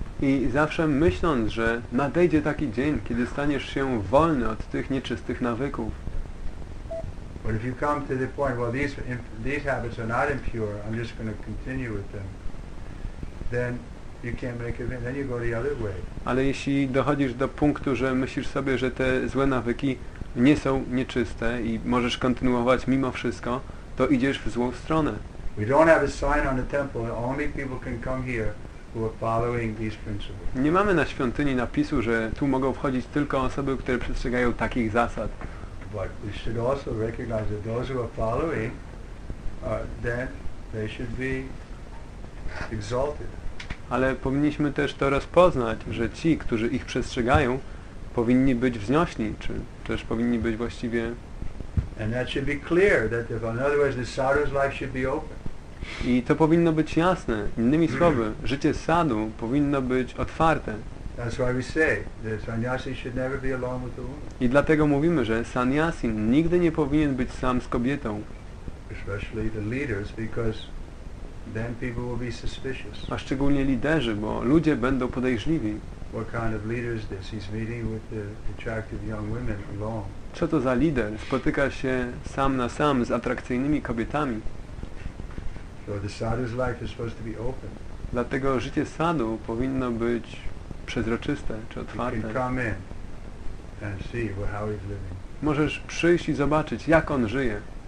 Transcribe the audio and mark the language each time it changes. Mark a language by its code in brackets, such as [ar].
[pl] I zawsze myśląc, że nadejdzie taki dzień, kiedy staniesz się wolny od tych nieczystych nawyków. [en] But if you come to the point, well, these habits are not impure, I'm just going to continue with them, then you can't make it, then you go the other way. [pl] Ale jeśli dochodzisz do punktu, że myślisz sobie, że te złe nawyki nie są nieczyste i możesz kontynuować mimo wszystko, to idziesz w złą stronę. [en] We don't have a sign on the temple that only people can come here who are following these principles. [pl] Nie mamy na świątyni napisu, że tu mogą wchodzić tylko osoby, które przestrzegają takich zasad. [en] But we should also recognize that those who are following, then they should be exalted. [pl] Ale powinniśmy też to rozpoznać, że ci, którzy ich przestrzegają, powinni być wzniośni, czy też powinni być właściwie. [en] And that should be clear that if, in other words, the sadhu's life should be open. [pl] I to powinno być jasne. Innymi słowy, życie sadhu powinno być otwarte. [en] That's why we say that sannyasi should never be alone with the woman. [pl] I dlatego mówimy, że sannyasin nigdy nie powinien być sam z kobietą. [en] Especially the leaders, because then people will be suspicious. [pl] A szczególnie liderzy, bo ludzie będą podejrzliwi. [en] What kind of leader is this? He's meeting with the attractive young women alone. [pl] Co to za lider? Spotyka się sam na sam z atrakcyjnymi kobietami. [en] So the sadhu's life is supposed to be open. [pl] Dlatego życie sadhu powinno być przezroczyste czy otwarte. [en] And see how he's living. [pl] Możesz przyjść i zobaczyć, jak on żyje.